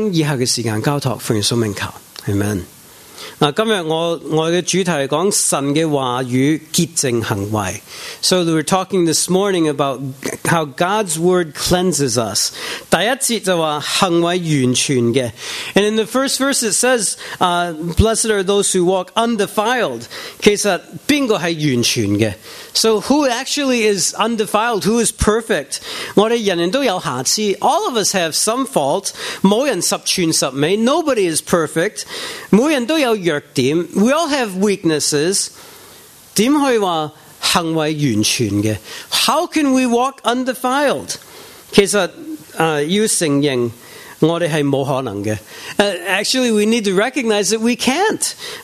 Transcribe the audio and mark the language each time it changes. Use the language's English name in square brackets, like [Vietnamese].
[Chinese] 主要我们感谢你可以看到这个这么好的诗篇，我们靠你透过这个诗篇去教导我们，教我们怎样去喜爱你的话语，怎样去遵行你的话语，遵守你的话语，还有怎样去洁净我们的行为。所以我们将以下的时间交托，奉耶稣名求， Amen. 今天我的主题是讲神的话语洁净行为. [English] So we were talking this morning about how God's word cleanses us. [Chinese] 第一节就说行为完全的. [English] And in the first verse it says, blessed are those who walk undefiled. [Chinese] 其实谁是完全的? [English] So who actually is undefiled? Who is perfect? [Chinese] 我们人人都有瑕疵. [English] All of us have some fault. [Chinese] 没人十全十美. [English] Nobody is perfect. [Chinese] 每人都有弱点. [English] We all have weaknesses. [Chinese] 怎可以说行为完全的? [English] How can we walk undefiled? [Chinese] 其实要承认, 我们是不可能的. [English] Actually, we need to recognize that we can't.